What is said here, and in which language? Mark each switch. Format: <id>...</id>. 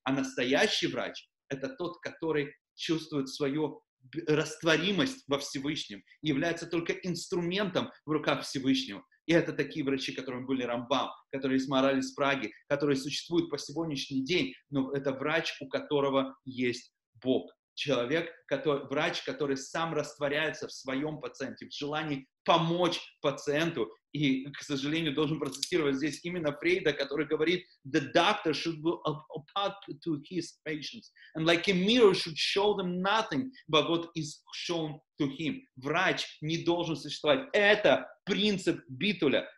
<ru>А настоящий врач – это тот, который чувствует свою растворимость во Всевышнем, является только инструментом в руках Всевышнего. И это такие врачи, которыми были Рамбам, которые есть Маараль из Праги, которые существуют по сегодняшний день, но это врач, у которого есть Бог. человек, который, врач, который сам растворяется в своем пациенте, в желании помочь пациенту. И, к сожалению, должен процитировать здесь именно Фрейда, который говорит:</ru> <en>«The doctor should be opaque to his patients, and like a mirror should show them nothing but what is shown to him».</en> <ru>Врач не должен существовать. Это принцип Битуля.</ru>